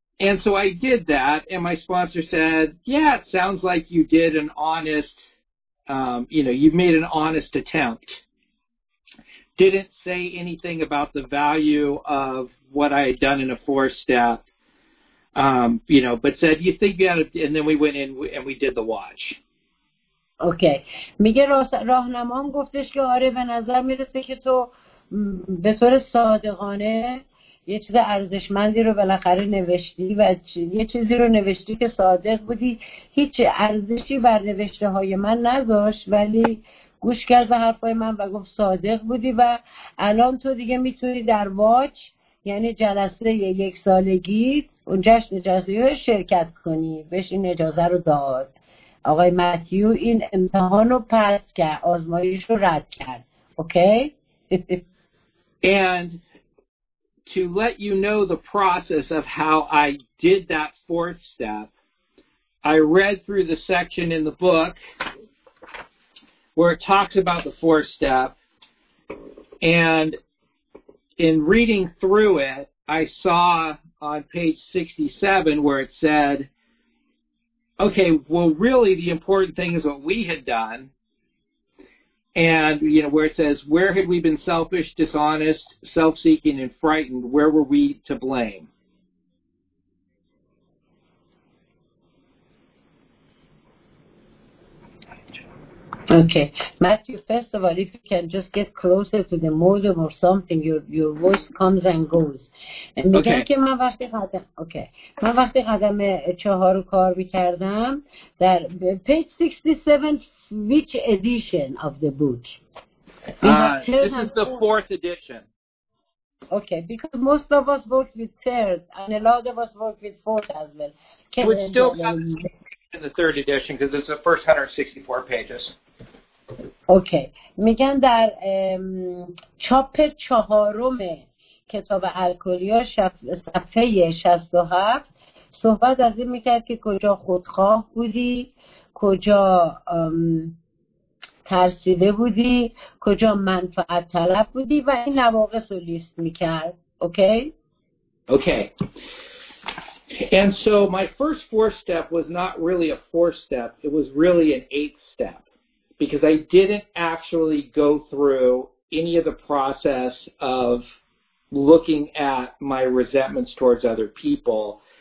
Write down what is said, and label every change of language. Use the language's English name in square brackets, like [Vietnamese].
[English] And so I did that, and my sponsor said, yeah, it sounds like you did an honest, you made an honest attempt. Didn't say anything about the value of what I had done in a 4-step, but said, you think you had a, and then we went in and we did the watch. Okay. [Persian] میگه راهنمام گفتش که آره به نظر میرسه که تو به طور صادقانه یه چیز ارزشمندی رو بالاخره نوشتی و یه چیزی رو نوشتی که صادق بودی هیچ ارزشی بر نوشته های من نذاشت ولی گوش کرد به حرفای من و گفت صادق بودی و الان تو دیگه میتونی در واچ یعنی جلسه 1 سالگی اون جشن جلسه رو شرکت کنی بهش این اجازه رو داد آقای متیو این امتحان رو پس کرد آزمایش رو رد کرد اوکی [English] okay? And to let you know the process of how I did that fourth step, I read through the section in the book where it talks about the fourth step, and in reading through it, I saw on page 67 where it said, okay, well, really the important thing is what we had done, and, you know, where it says, where had we been selfish, dishonest, self-seeking, and frightened? Where were we to blame? Okay. Matthew, first of all, if you can just get closer to the modem or something, your voice comes and goes. [Persian] میگن که من وقتی قدم من وقتی قدم چهار کار میکردم در [English] page 67, which edition of the book? This is the fourth edition. Okay, because most of us work with third, and a lot of us work with fourth as well. Can we still have the third edition, because it's the first 164 pages. [Persian] اوکی میگن در چاپ چهارم کتاب الکلیا صفحه 67 صحبت از این میکرد که کجا خودخواه بودی، کجا ترسیده بودی، کجا منفعت طلب بودی و این نواقص رو لیست میکرد. اوکی [English] And so my first four step was not really a four step, it was really an eight step. Because I didn't actually go through any of the process of looking at my resentments towards other people.